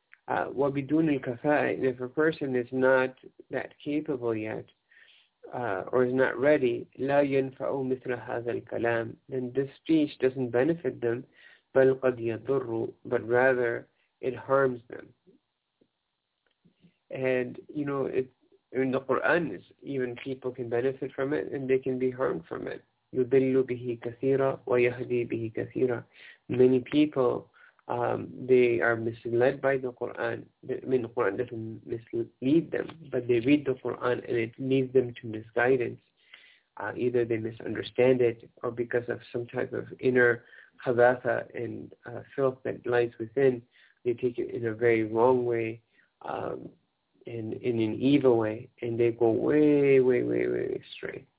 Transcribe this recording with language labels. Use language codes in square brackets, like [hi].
[ar] وبدون الكفاءة, [en] and if a person is not that capable yet, or is not ready, [ar] لا ينفع مثل هذا الكلام, [en] then this speech doesn't benefit them, [ar] بل قد يضر, [en] but rather it harms them. And you know, in the Quran is even people can benefit from it and they can be harmed from it. [ar] يُدِلُّ بِهِ كَثِيرًا وَيَهْدِي بِهِ كَثِيرًا. [en] Many people, they are misled by the Quran. The Quran doesn't mislead them, but they read the Quran and it leads them to misguidance. Either they misunderstand it or because of some type of inner khabatha and filth that lies within, they take it in a very wrong way, in an evil way, and they go way, way, way, way astray.